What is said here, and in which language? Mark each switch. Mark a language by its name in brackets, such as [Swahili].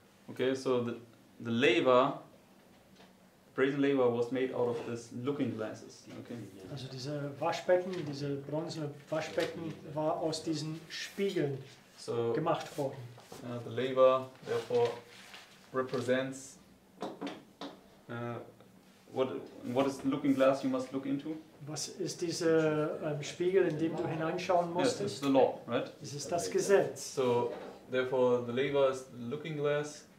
[English] Okay, so the laver, brazen laver was made out of this looking glasses. Okay. [German] Also dieser Waschbecken, diese bronzene Waschbecken war aus diesen Spiegeln gemacht worden. [English] The laver therefore represents what is looking glass you must look into? [German] Was ist dieser Spiegel, in dem du hineinschauen musstest? [English] Yes, it's the law, right? [German] Es ist das Gesetz. [English] So therefore, the laver is the looking glass.